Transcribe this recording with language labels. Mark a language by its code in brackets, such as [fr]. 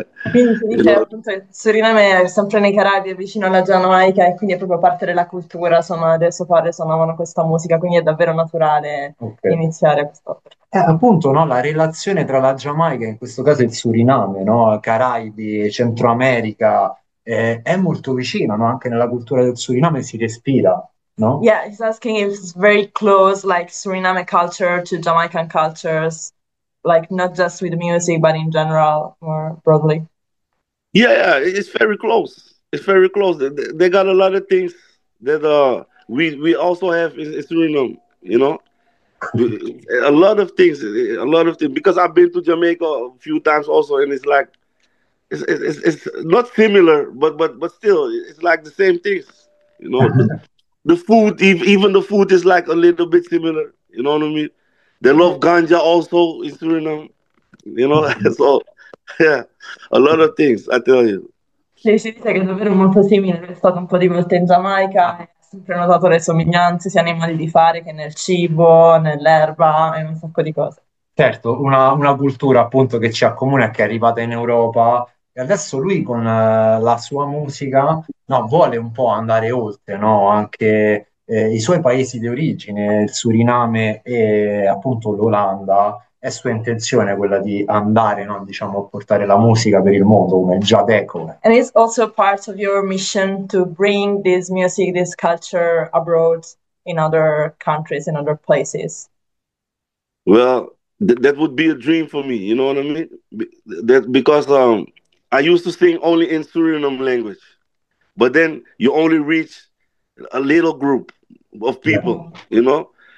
[it] Quindi si dice appunto che Suriname è sempre nei Caraibi, vicino alla Giamaica, e quindi è proprio parte della cultura, insomma, del suo padre suonavano questa musica, quindi è davvero naturale iniziare questo. Appunto, no? La relazione tra la Giamaica, in questo caso il Suriname, no? Caraibi, Centro America, è molto vicina, no? Anche nella cultura del Suriname si respira, no? [en] Yeah, he's asking if it's very close, like Suriname culture to Jamaican cultures, like not just with music, but in general, more broadly. Yeah, it's very close. It's very close. They got a lot of things that we also have in Suriname, you know? A lot of things, because I've been to Jamaica a few times also, and it's like it's not similar, but still it's like the same things, you know. The food, even the food is like a little bit similar, you know what I mean? They love ganja also in Suriname, you know. So yeah, a lot of things, I tell you. [it] Lei ci dice che è davvero molto simile, è stato un po' di volte in Giamaica, ha sempre notato le somiglianze sia nei modi di fare che nel cibo, nell'erba e un sacco di cose. Certo, una cultura appunto che ci accomuna, che è arrivata in Europa, e adesso lui con la sua musica, no, vuole un po' andare oltre, no? Anche i suoi paesi di origine, il Suriname e appunto l'Olanda, è sua intenzione quella di andare, no? Diciamo, a portare la musica per il mondo, come Jadeco. [en] And it's also part of your mission to bring this music, this culture abroad in other countries, in other places. Well, that would be a dream for me, you know what I mean? Because I used to sing only in Suriname language, but then you only reach a little group of people, you know?